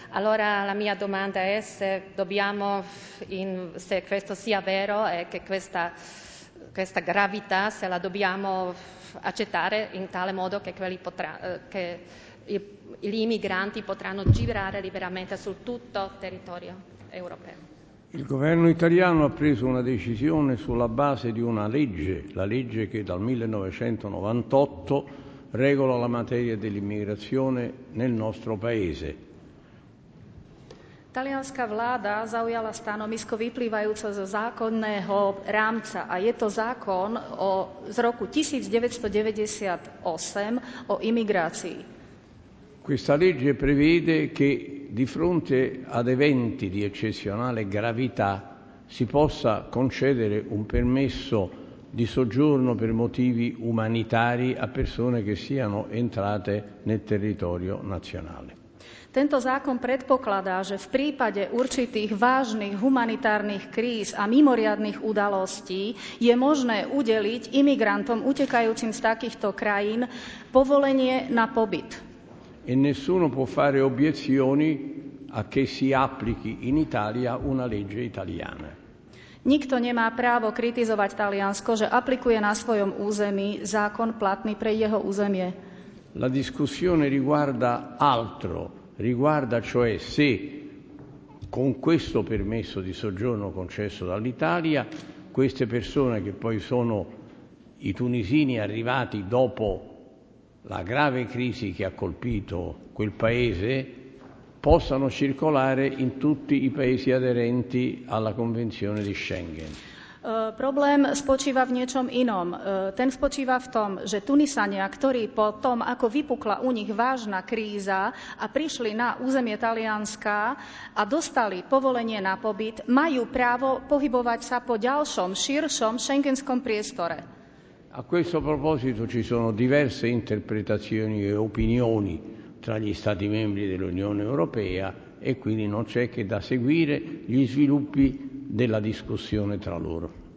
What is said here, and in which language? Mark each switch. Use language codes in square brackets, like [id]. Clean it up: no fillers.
[it] Allora la mia domanda è se questo sia vero e che questa gravità se la dobbiamo accettare in tale modo che gli immigranti potranno girare liberamente sul tutto il territorio europeo. Il governo italiano ha preso una decisione sulla base di una legge, la legge che dal 1998 regola la materia dell'immigrazione nel nostro paese. [sk] Talianska vláda zaujala stanovisko vyplývajúce zo zákonného rámca a je to zákon z roku 1998 o imigrácii. [it] Questa legge prevede che di fronte ad eventi di eccezionale gravità si possa concedere un permesso di soggiorno per motivi umanitari a persone che siano entrate nel territorio nazionale. [sk] Tento zákon predpokladá, že v prípade určitých vážnych humanitárnych kríz a mimoriadnych udalostí je možné udeliť imigrantom utekajúcim z takýchto krajín povolenie na pobyt. [it] e nessuno può fare obiezioni a che si applichi in Italia una legge italiana. [sk] Nikto nemá právo kritizovať Taliansko, že aplikuje na svojom území zákon platný pre jeho územie. [it] La discussione riguarda altro, riguarda cioè se con questo permesso di soggiorno concesso dall'Italia queste persone che poi sono i tunisini arrivati dopo la grave crisi che ha colpito quel paese possano circolare in tutti i paesi aderenti alla Convenzione di Schengen. [sk] Problém spočíva v niečom inom. Ten spočíva v tom, že Tunisania, ktorí po tom, ako vypukla u nich vážna kríza a prišli na územie Talianska a dostali povolenie na pobyt, majú právo pohybovať sa po ďalšom, širšom schengenskom priestore. [it] A questo proposito ci sono diverse interpretazioni e opinioni tra gli stati membri dell'Unione Europea e quindi non c'è che da seguire gli sviluppi della discussione tra loro.